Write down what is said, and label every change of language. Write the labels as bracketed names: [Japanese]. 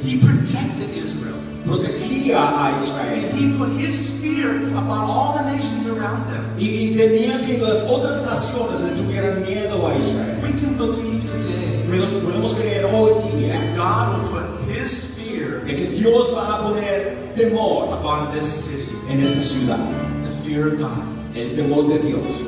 [English] He protected Israel. [Spanish] Protegía a Israel. [English] And He put His fear upon all the nations around them. [Spanish] Y tenía que las otras naciones tuvieran miedo a Israel. [English] We can believe today. [Spanish] Podemos creer hoy día. [English] God will put His fear. [Spanish] De que Dios va a poner temor [English] upon this city. [Spanish] En esta ciudad. [English] The fear of God. [Spanish] El temor de Dios.